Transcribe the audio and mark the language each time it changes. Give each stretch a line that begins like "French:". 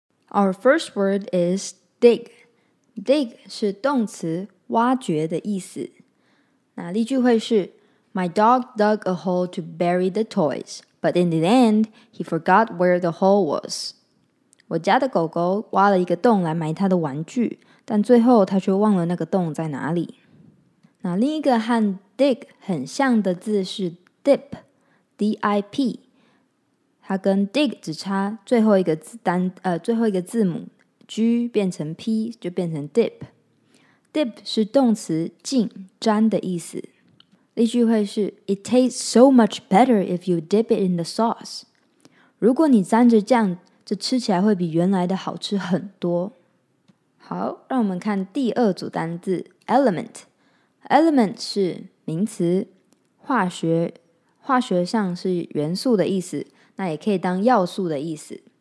English: Our first word is dig.
Chinese: Dig 是动词挖掘的意思。那例句会是
English: My dog dug a hole to bury the toys. But in the end, he forgot where the hole was.
Chinese: 我家的狗狗挖了一个洞来埋它的玩具，但最后它却忘了那个洞在哪里。那另一个和 dig 很像的字是 dip, D-I-P. 它跟 dig 只差最后一个字单，最后一个字母 G 变成 P 就变成 dip. Dip 是动词浸、沾的意思。例句会是
English: It tastes so much better if you dip it in the sauce.
Chinese: 如果你沾着酱，这吃起来会比原来的好吃很多。好，让我们看第二组单字 element. Element 是名词，化学，化学上是元素的意思，那也可以当要素的意思。